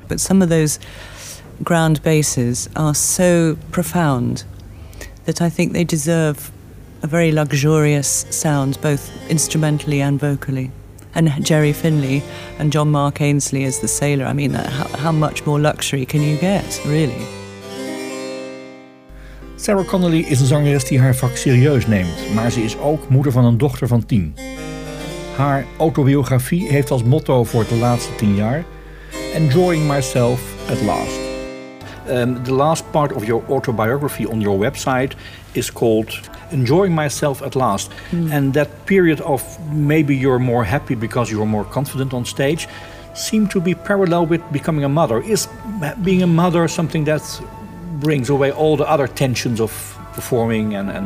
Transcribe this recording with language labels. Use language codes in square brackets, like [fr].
[en] But some of those ground bases are so profound that I think they deserve a very luxurious sound, both instrumentally and vocally. And Jerry Finley and John Mark Ainsley as the sailor, I mean, how much more luxury can you get, really? [nl] Sarah Connolly is een zangeres die haar vak serieus neemt, maar ze is ook moeder van een dochter van 10. Haar autobiografie heeft als motto voor de laatste 10 jaar, Enjoying Myself at Last. [en] The last part of your autobiography on your website is called Enjoying Myself at Last. Mm. And that period of maybe you're more happy because you're more confident on stage seemed to be parallel with becoming a mother. Is being a mother something that's... brings away all the other tensions of performing and